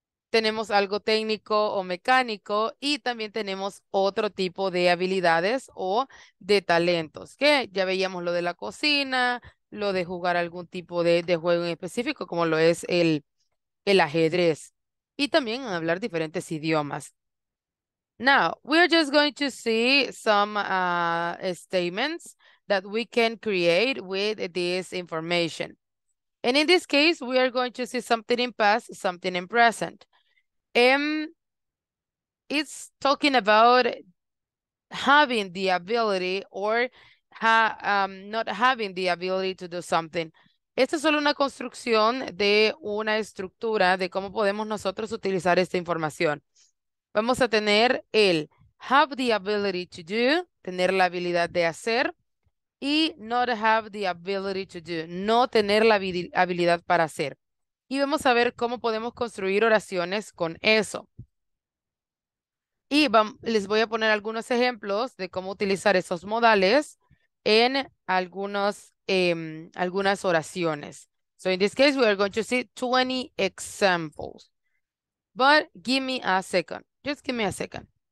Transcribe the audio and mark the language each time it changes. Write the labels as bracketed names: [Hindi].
[Spanish] Tenemos algo técnico o mecánico y también tenemos otro tipo de habilidades o de talentos, que ya veíamos lo de la cocina, lo de jugar algún tipo de juego en específico, como lo es el ajedrez, y también hablar diferentes idiomas. [English] Now, we are just going to see some statements that we can create with this information. And in this case, we are going to see something in past, something in present. It's talking about having the ability or not having the ability to do something. [Spanish] Esta es solo una construcción de una estructura de cómo podemos nosotros utilizar esta información. Vamos a tener el [English] have the ability to do, [Spanish] tener la habilidad de hacer. Y [English] not have the ability to do, [Spanish] no tener la habilidad para hacer. Y vamos a ver cómo podemos construir oraciones con eso. Y les voy a poner algunos ejemplos de cómo utilizar esos modales en algunas oraciones. [English] So in this case, we are going to see 20 examples. But give me a second. Just give me a second.